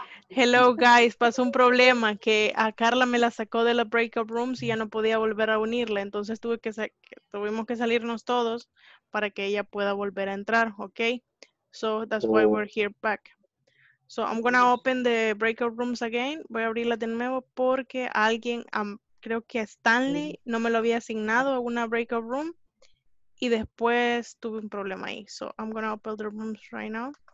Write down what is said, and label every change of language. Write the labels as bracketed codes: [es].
[en] Hello guys, [es] pasó un problema que a Carla me la sacó de la breakout rooms y ya no podía volver a unirla, entonces tuvimos que salirnos todos para que ella pueda volver a entrar, okay? [en] So that's why we're here back. So I'm gonna open the breakout rooms again. [es] Voy a abrirla de nuevo porque alguien, creo que Stanley no me lo había asignado a una breakout room y después tuve un problema ahí. [en] So I'm gonna open the rooms right now.